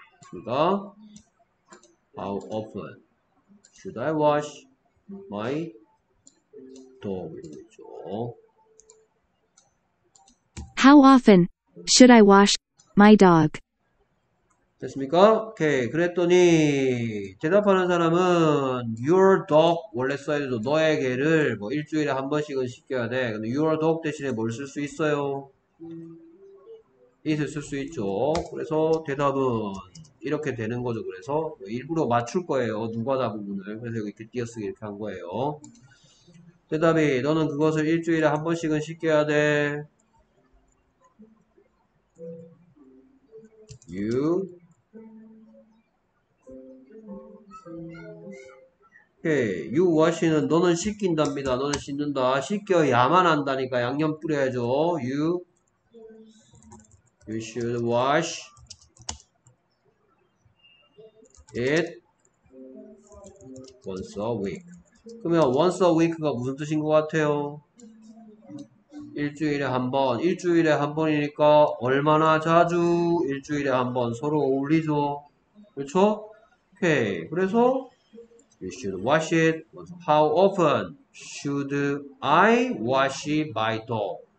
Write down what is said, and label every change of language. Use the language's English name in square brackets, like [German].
[Korean] 그러니까 [English] How often should I wash my dog? [Korean] 이렇게 [English] How often should I wash my dog? [Korean] 됐습니까? 오케이. 그랬더니 대답하는 사람은 [English] Your dog [Korean] 원래 써야 돼도 너의 개를 뭐 일주일에 한 번씩은 씻겨야 돼. 근데 [English] Your dog [Korean] 대신에 뭘쓸수 있어요? 이을 쓸수 있죠. 그래서 대답은 이렇게 되는 거죠. 그래서 일부러 맞출 거예요. 누가 다 부분을. 그래서 이렇게 띄어쓰기 이렇게 한 거예요. 대답이 너는 그것을 일주일에 한 번씩은 씻겨야 돼. [English] You. [Korean] 오케이. [English] You wash [Korean] 는 너는 씻긴답니다. 너는 씻는다. 씻겨야만 한다니까 양념 뿌려야죠. [English] You. You should wash it once a week. [Korean] 그러면 [English] once a week [Korean] 가 무슨 뜻인 것 같아요? 일주일에 한 번. 일주일에 한 번이니까 얼마나 자주? 일주일에 한번 서로 어울리죠? 그렇죠? 오케이. 그래서 [English] You should wash it once. How often should I wash my dog?